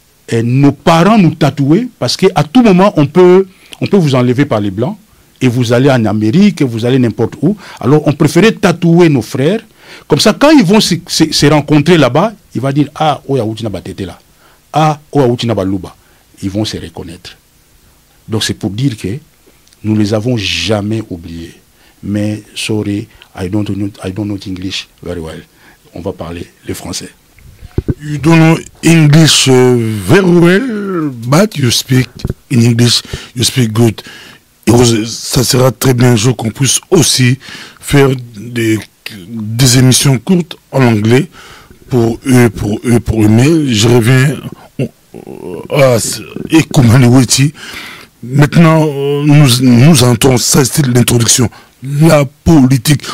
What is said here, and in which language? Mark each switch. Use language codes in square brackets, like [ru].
[fr] Et nos parents nous tatouaient parce qu'à tout moment, on peut vous enlever par les Blancs et vous allez en Amérique, vous allez n'importe où. Alors, on préférait tatouer nos frères. Comme ça, quand ils vont se rencontrer là-bas, ils vont dire, ah, oya outina batete là. Ah, oya outina balouba. Ils vont se reconnaître. Donc, c'est pour dire que nous ne les avons jamais oubliés. [en] Mais, sorry, I don't know English very well. [fr] On va parler le français. [en] You don't know English very well, but you speak in English, you speak good. [fr] Ça sera très bien un jour qu'on puisse aussi faire des émissions courtes en anglais pour eux. Mais je reviens à Ekumani Wetshi. Maintenant, nous entrons, ça c'était l'introduction, la politique.